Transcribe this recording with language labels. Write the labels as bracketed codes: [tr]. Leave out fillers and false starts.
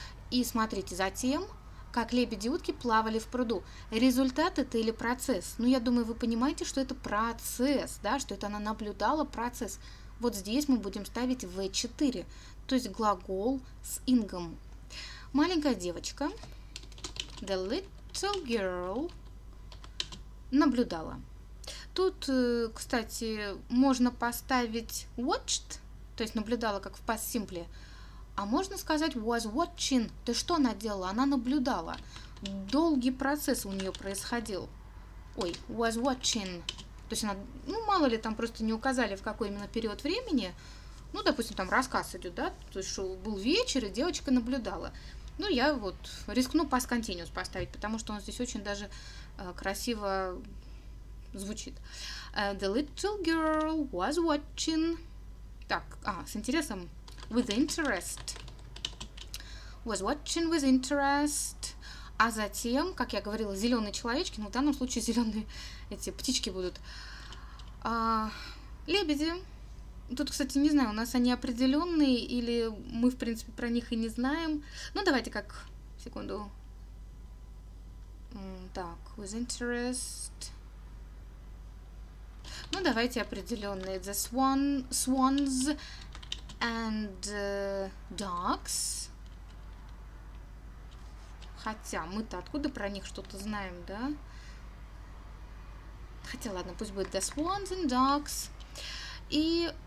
[ru] И смотрите за тем, как лебеди и утки плавали в пруду. Результат это или процесс? Ну, я думаю, вы понимаете, что это процесс, да, что это она наблюдала процесс. Вот здесь мы будем ставить V4, то есть глагол с ингом. Маленькая девочка. [en] The little girl [ru] наблюдала. Тут, кстати, можно поставить [en] watched, [ru] то есть наблюдала, как в past simple, а можно сказать [en] was watching. [ru] То есть что она делала? Она наблюдала. Долгий процесс у нее происходил. Ой, [en] was watching. [ru] То есть она, ну, мало ли, там просто не указали, в какой именно период времени. Ну, допустим, там рассказ идет, да? То есть что был вечер, и девочка наблюдала. Ну, я вот рискну Past Continuous поставить, потому что он здесь очень даже красиво звучит. [en] The little girl was watching. [ru] Так, с интересом. [en] With interest. Was watching with interest. [ru] А затем, как я говорила, зеленые человечки, но в данном случае зеленые эти птички будут. Лебеди. Тут, кстати, не знаю, у нас они определенные или мы, в принципе, про них и не знаем. Ну, давайте как... Секунду. Так, [en] with interest. [ru] Ну, давайте определенные. [en] The swans and ducks. [ru] Хотя мы-то откуда про них что-то знаем, да? Хотя, ладно, пусть будет [en] the swans and ducks. [ru] И...